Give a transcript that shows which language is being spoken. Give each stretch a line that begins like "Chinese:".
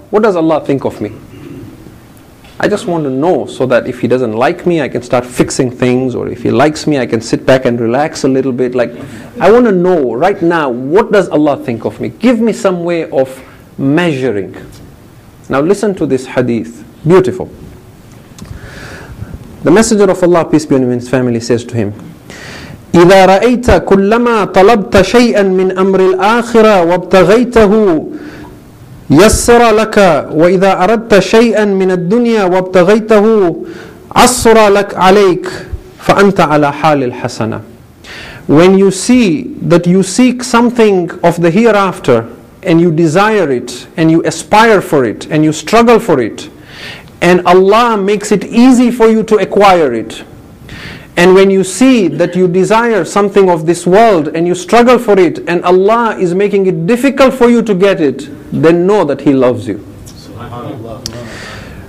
English: What does Allah think of me? I just want to know so that if He doesn't like me, I can start fixing things, or if He likes me, I can sit back and relax a little bit. Like, I want to know right now, what does Allah think of me? Give me some way of measuring. Now listen to this hadith. Beautiful. The Messenger of Allah, peace be on him and his family, says to him,
Arabic: إِذَا رَأَيْتَ كُلَّمَا طَلَبْتَ شَيْئًا مِنْ أَمْرِ الْآخِرَةِ وَابْتَغَيْتَهُ يَسْرَ لَكَ وَإِذَا أَرَدْتَ شَيْئًا مِنَ الدُّنْيَا وَابْتَغَيْتَهُ عَصْرَ لَكَ عَلَيْكَ فَأَنْتَ عَلَى حَالِ الْحَسَنَةِ.
English: When you see that you seek something of the hereafter and you desire it and you aspire for it and you struggle for it, and Allah makes it easy for you to acquire it. And when you see that you desire something of this world and you struggle for it and Allah is making it difficult for you to get it, then know that He loves you. SubhanAllah.